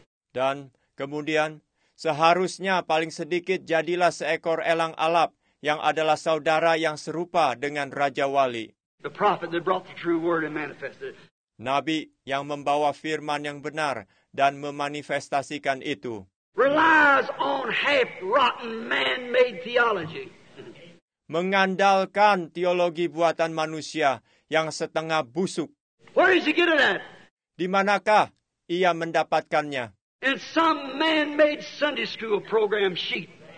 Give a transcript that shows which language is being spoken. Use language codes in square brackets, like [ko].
[id] Dan kemudian seharusnya paling sedikit jadilah seekor elang alap yang adalah saudara yang serupa dengan Raja Wali. [en] The prophet that brought the true word and manifested. [id] Nabi yang membawa firman yang benar dan memanifestasikan itu. [en] Relies on half rotten man-made theology. [id] Mengandalkan teologi buatan manusia yang setengah busuk. [en] Where is he getting that? [id] Di manakah ia mendapatkannya? [en] In some man-made Sunday school program sheet.